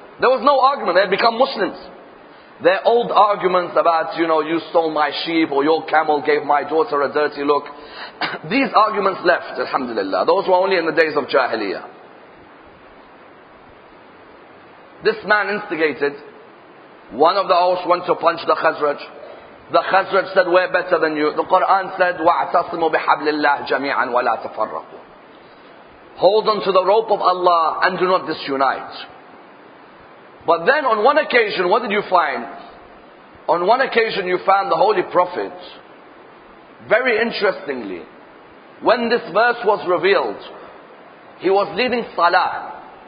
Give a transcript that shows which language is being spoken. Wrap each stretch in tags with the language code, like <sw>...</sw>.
<en>There was no argument, they had become Muslims. Their old arguments about, you know, you stole my sheep or your camel gave my daughter a dirty look. These arguments left, alhamdulillah. Those were only in the days of Jahiliyyah. This man instigated. One of the Aus went to punch the Khazraj. The Khazraj said, we're better than you. The Quran said,</en> <ar>وَاعْتَصِمُوا بِحَبْلِ اللَّهِ جَمِيعًا وَلَا تَفَرَّقُوا.</ar> <en>Hold on to the rope of Allah and do not disunite. But then on one occasion, what did you find? On one occasion you found the Holy Prophet, very interestingly, when this verse was revealed, he was leading Salah.</en>